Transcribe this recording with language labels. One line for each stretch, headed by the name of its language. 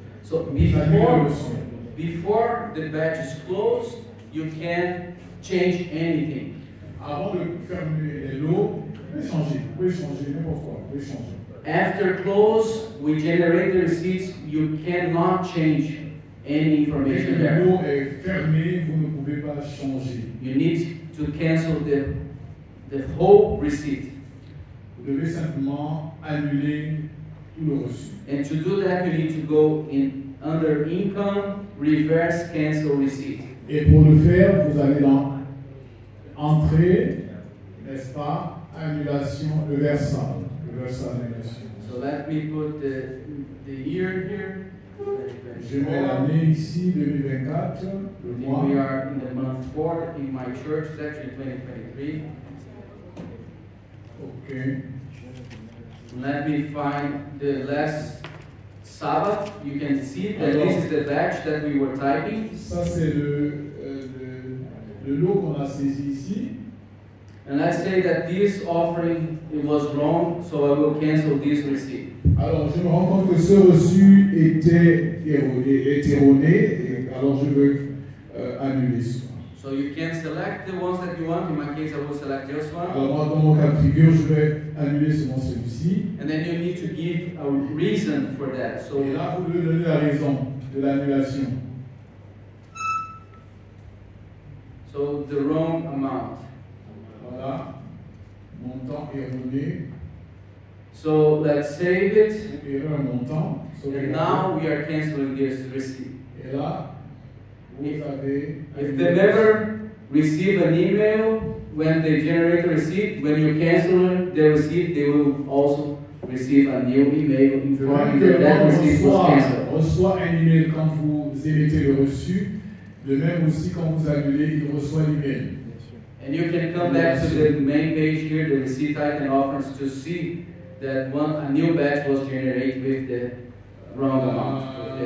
English: So before the batch is closed, you can change anything.
French: Avant de fermer les lots, vous pouvez changer n'importe quoi, vous pouvez changer.
English: After close, we generate the receipts. You cannot change any information there.
French: Le mot est fermé, vous ne pouvez pas changer.
English: You need to cancel the whole receipt.
French: Vous devez simplement annuler tout le reçu.
English: And to do that, you need to go in under income, reverse cancel receipt.
French: Et pour le faire, vous allez dans entrée, n'est-ce pas, annulation, reversal annulation.
English: So let me put the year here.
French: Je mets l'année ici, 2024, le mois.
English: We are in the month 4 in my church, section 2023. Okay. Let me find the last Sabbath, you can see that this is the batch that we were typing.
French: Ça c'est le, le lot qu'on a saisi ici.
English: And let's say that this offering it was wrong, so I will cancel this receipt.
French: Alors je me rends compte que ce reçu était erroné, alors je veux annuler ça.
English: So you can select the ones that you want. In my case, I will select this one.
French: Alors dans mon cas de figure, je vais annuler seulement celui-ci.
English: And then you need to give a reason for that. So
French: et là, vous devez donner la raison de l'annulation.
English: So the wrong amount.
French: Voilà, montant erroné.
English: So let's save it.
French: Erreur montant.
English: So and now we are canceling this receipt.
French: Et là,
English: if they never receive an email when they generate a receipt, when you cancel the receipt, they will also receive a new email informing that that receipt was canceled.
French: Reçoit un email quand vous émettez le reçu, de même aussi quand vous annulez, il reçoit l'email.
English: And you can come back to the main page here, the receipt item offers, to see that one a new batch was generated with the wrong amount.